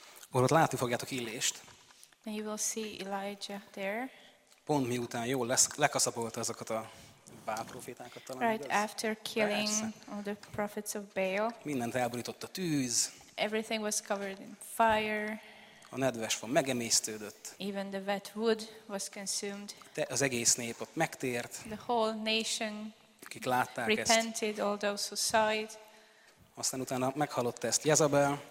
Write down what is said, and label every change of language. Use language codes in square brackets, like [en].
[hu] Holott látni fogjátok Illést. [en] And you will see Elijah there. [hu] Pont miután jól lekaszabolta azokat a Bál profétákat talán. [en] Right after killing all the prophets of Baal. [hu] Mindent elborított a tűz. [en] Everything was covered in fire. [hu] A nedves fa megemésztődött. [en] Even the wet wood was consumed. [hu] De az egész nép ott megtért. [en] The whole nation repented, all those who saw it. [hu] Aztán utána meghallotta ezt Jezabel.